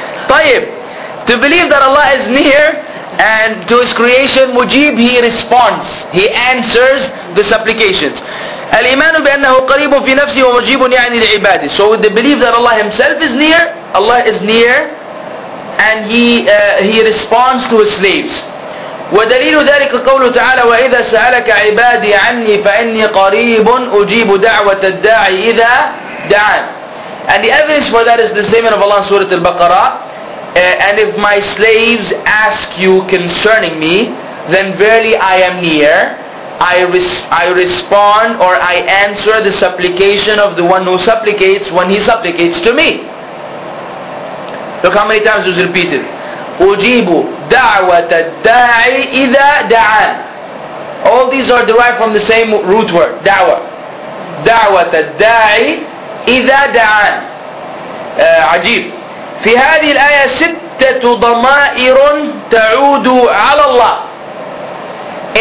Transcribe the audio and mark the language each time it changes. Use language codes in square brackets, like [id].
[en] Tayyib, to believe that Allah is near and to His creation, Mujib, He responds. He answers the supplications. [ar] Al-Imanu bi-annahu qaribun fi nafsi wa mujibun ya'ni li'ibadi. [en] So with the belief that Allah Himself is near, Allah is near, and He responds to His slaves. [ar] ودليل ذلك قوله تعالى وإذا سألك عبادي عني فإني قريب أجيب دعوة الداعي إذا دعان. [en] And the evidence for that is the statement of Allah in Surah Al-Baqarah, and if my slaves ask you concerning me, then verily I am near, I respond or I answer the supplication of the one who supplicates when he supplicates to me. Look how many times it was repeated. [ar] أُجِيبُ دَعْوَةَ الدَّاعِ إِذَا دَعَان. [en] All these are derived from the same root word, دَعْوَة. [ar] دَعْوَةَ الدَّاعِ إِذَا دَعَان. عجيب. في هذه الآية ستة ضمائر تعود على الله.